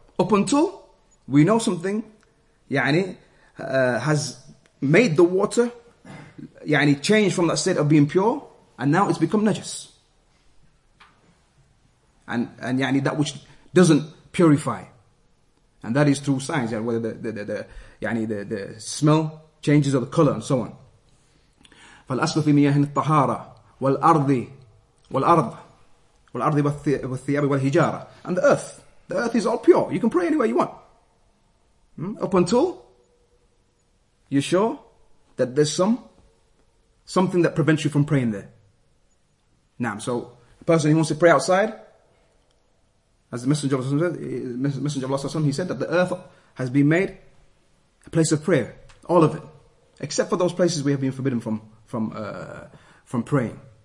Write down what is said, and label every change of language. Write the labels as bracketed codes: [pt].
[en] Up until we know something, ya'ani, has made the water, يعني changed from that state of being pure, and now it's become najis. And يعني that which doesn't purify, and that is through signs, يعني whether the smell changes or the color and so on. [ar] فالأصل في مياه الطهارة والأرض والثياب والهجارة, [en] and the earth is all pure. You can pray anywhere you want. Up until you're sure that there's something that prevents you from praying there. Now, so a person who wants to pray outside, as the Messenger of Allah said, he said that the earth has been made a place of prayer, all of it, except for those places we have been forbidden from praying.